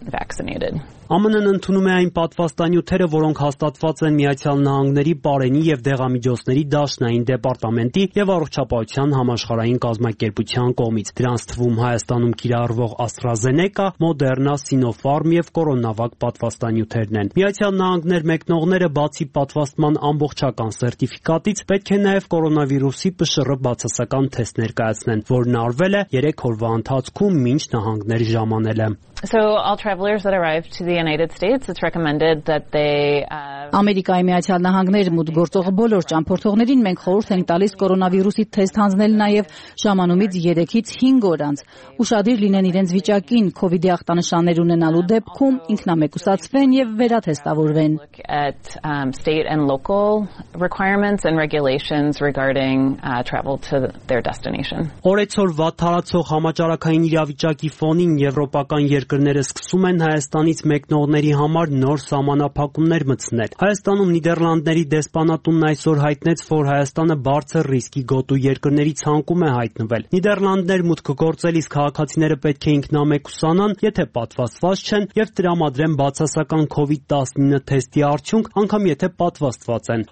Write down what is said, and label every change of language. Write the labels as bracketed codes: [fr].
[hy] ԱՄՆ-ն ընդունում է այն պատվաստանյութերը, որոնք հաստատված են Միացյալ Նահանգների Պարենի եւ Դեղամիջոցների Դաշնային Դեպարտամենտի եւ Առողջապահության Համաշխարհային Կազմակերպության կողմից, դրանց թվում Հայաստանում կիրառվող AstraZeneca, Moderna, Sinopharm եւ CoronaVac պատվաստանյութերն են։ Միացյալ Նահանգներ մեկնողները բացի պատվաստման ամբողջական սերտիֆիկատից պետք է նաեւ կորոնավիրուսի PCR բացասական թեստ ներկայացնեն, որն արվել է 3 օրվա ընթացքում մինչ նահանգներ ժամանելը։ [en] So all travelers that arrive to the United States, it's recommended that they [hy] Ամերիկայի Միացյալ Նահանգներ մոտ գործող բոլոր ճամփորդողներին մենք խորհուրդ ենք տալիս կորոնավիրուսի թեստ հանձնել նաև ժամանումից 3-ից 5 օր անց։ Ուշադիր լինեն իրենց վիճակին, COVID-ի ախտանշաններ ունենալու դեպքում ինքնամեկուսացվեն եւ վերաթեստավորվեն։ [en] State and local requirements and regulations regarding travel to their destination. [hy] Օրեցօր վատթարացող համաճարակային իրավիճակի ֆոնին եվրոպական երկրները սկսում են Հայաստանից մեկնողների համար նոր սահմանափակումներ մտցնել։ Հայաստանում Նիդերլանդների դեսպանատունն այսօր հայտնեց, որ Հայաստանը բարձր ռիսկի գոտու երկրների ցանկում է հայտնվել։ Նիդերլանդներ մուտքը գործելիս քաղաքացիները պետք է ինքնամեկուսանան, եթե պատվաստված չեն, եւ տրամադրեն բացասական COVID-19 թեստի արդյունք, անկամ եթե պատվաստված են։